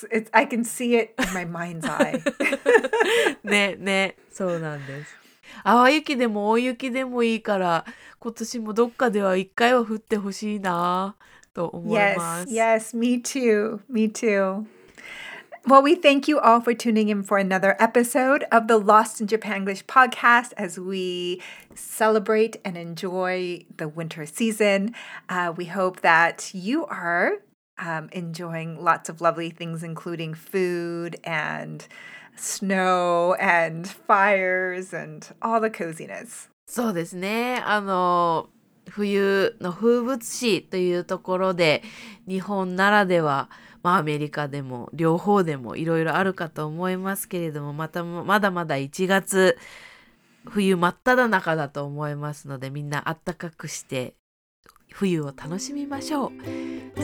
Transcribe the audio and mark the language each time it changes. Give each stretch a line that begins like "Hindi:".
English: It's, I can see it in my mind's eye.
Japanese: ね、ね、そうなんです。淡雪でも大雪でもいいから、今年もどっかでは一回は降ってほしいなと思います。
English: Yes, yes, me too, me too. Well, we thank you all for tuning in for another episode of the Lost in Japanglish podcast as we celebrate and enjoy the winter season. We hope that you are enjoying lots of lovely things, including food and snow and fires and all the coziness.
Japanese: そうですね。あの、冬の風物詩というところで、日本ならでは、まあ、アメリカでも両方でもいろいろあるかと思いますけれども、またまだまだ1月冬真っ只中だと思いますので、みんな暖かくして冬を楽しみましょう。